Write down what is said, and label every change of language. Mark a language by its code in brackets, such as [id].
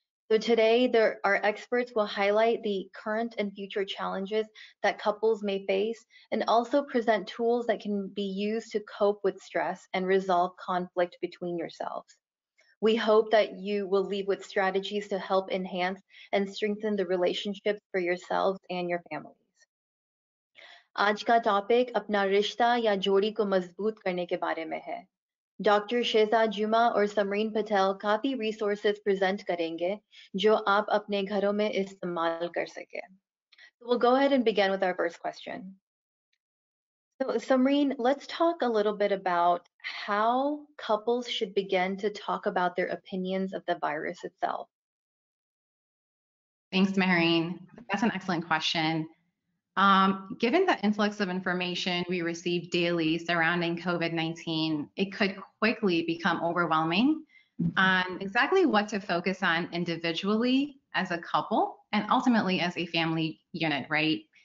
[en] So today, our experts will highlight the current and future challenges that couples may face and also present tools that can be used to cope with stress and resolve conflict between yourselves. We hope that you will leave with strategies to help enhance and strengthen the relationships for yourselves and your families. [ur] آج کا topic اپنا رشتہ یا جوڑی کو مضبوط کرنے کے بارے میں ہے۔ [en] Dr. [ur] شیزا جمعہ اور ثمرین پٹیل کافی [en] resources present [ur] کریں گے جو آپ اپنے گھروں میں استعمال کر سکے۔ [en] So we'll go ahead and begin with our first question. So Samreen, let's talk a little bit about how couples should begin to talk about their opinions of the virus itself. Thanks, Maureen. That's an excellent question. Given the influx of information we receive daily surrounding COVID-19, it could quickly become overwhelming on exactly what to focus on individually as a couple and ultimately as a family unit, right?